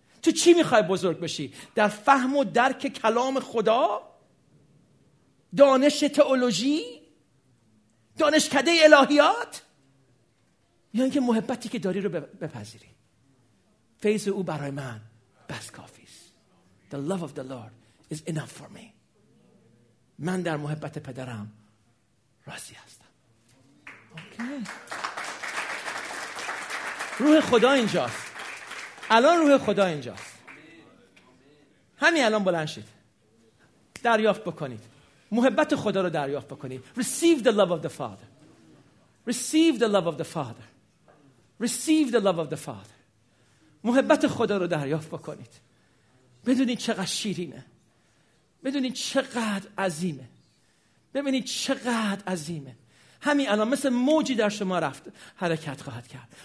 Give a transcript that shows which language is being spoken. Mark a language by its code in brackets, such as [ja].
[fa] تو چی میخوای بزرگ بشی؟ در فهم و درک کلام خدا، دانش تئولوژی، دانشکده الهیات، یا اینکه محبتی که داری رو بپذیری؟ فیض او برای من بس کافیست. [en] The love of the Lord is enough for me. [fa] من در محبت پدرم راضی هستم. Okay. روح خدا اینجاست. الان روح خدا اینجاست. همین الان بلند شید. دریافت بکنید. محبت خدا رو دریافت بکنید. [en] Receive the love of the Father. Receive the love of the Father. Receive the love of the Father. [fa] محبت خدا رو دریافت بکنید. بدونید چقدر شیرینه. بدونید چقدر عظیمه. ببینید چقدر عظیمه. همین الان مثل موجی در شما رفت حرکت خواهد کرد.